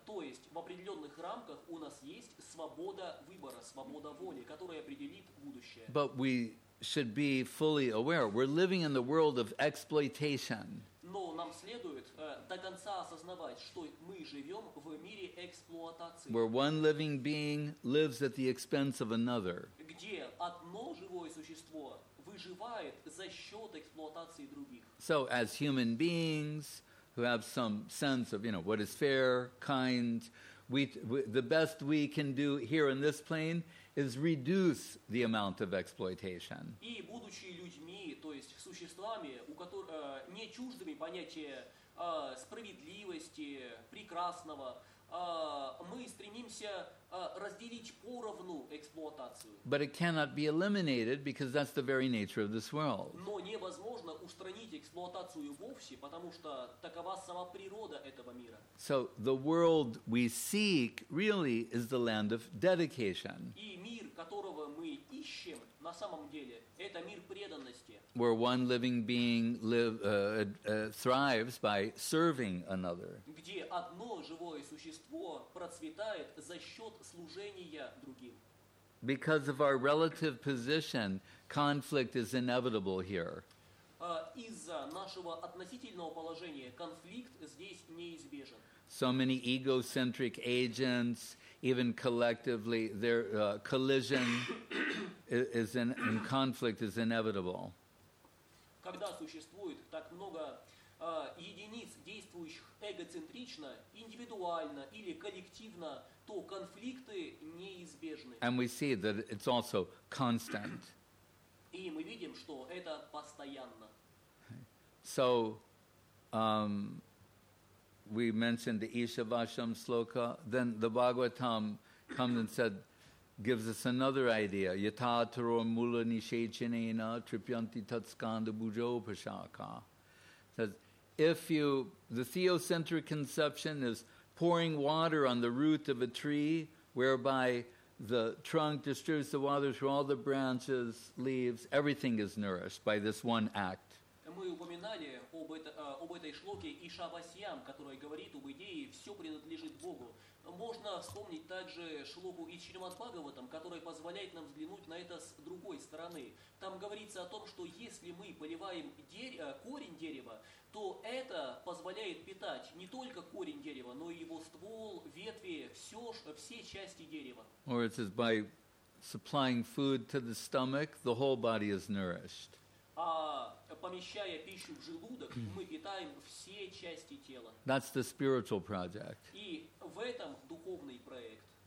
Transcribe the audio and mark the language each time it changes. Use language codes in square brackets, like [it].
[ru] То есть в определенных рамках у нас есть свобода выбора, свобода воли, которая определит будущее. [en] But we should be fully aware. We're living in the world of exploitation. [ru] Но нам следует до конца осознавать, что мы живем в мире эксплуатации. [en] Where one living being lives at the expense of another. [ru] Где одно живое существо выживает за счет эксплуатации других. [en] So as human beings who have some sense of, you know, what is fair, kind, the best we can do here in this plane is reduce the amount of exploitation. [ru] И будучи людьми, то есть существами, у которых не чуждыми понятия справедливости, прекрасного, мы стремимся разделить поровну эксплуатацию. [en] But it cannot be eliminated because that's the very nature of this world. [ru] Но невозможно устранить эксплуатацию вовсе, потому что такова сама природа этого мира. [en] So the world we seek really is the land of dedication. [ru] И мир, которого мы ищем, на самом деле, это мир преданности. [en] Where one living being thrives by serving another. [ru] Где одно живое существо процветает за счет служения другим. [en] Because of our relative position, conflict is inevitable here. [ru] Из-за нашего относительного положения конфликт здесь неизбежен. [en] So many egocentric agents, even collectively, their collision in conflict is inevitable. [ru] Когда существует так много единиц, действующих эгоцентрично, индивидуально или коллективно, то конфликты неизбежны. [en] And we see that it's also constant. [ru] И мы видим, что это постоянно. [en] So, we mentioned the Ishavasham sloka, then the Bhagavatam comes and said, gives us another idea. [sa] Yata taro mula nishechenena tripyanti tatskanda bujo pashaka. [en] Says, the theocentric conception is pouring water on the root of a tree, whereby the trunk distributes the water through all the branches, leaves, everything is nourished by this one act. [ru] Мы упоминали об этой шлоке Ишавасьям, которая говорит об идее «все принадлежит Богу». Можно вспомнить также шлоку из Шримад-Бхагаватам, которая позволяет нам взглянуть на это с другой стороны. Там говорится о том, что если мы поливаем корень дерева, то это позволяет питать не только корень дерева, но и его ствол, ветви, все части дерева. [en] Or it says, by supplying food to the stomach, the whole body is nourished. [ru] А помещая пищу в желудок, мы питаем все части тела. [en] That's the spiritual project. [ru] И в этом духовный проект.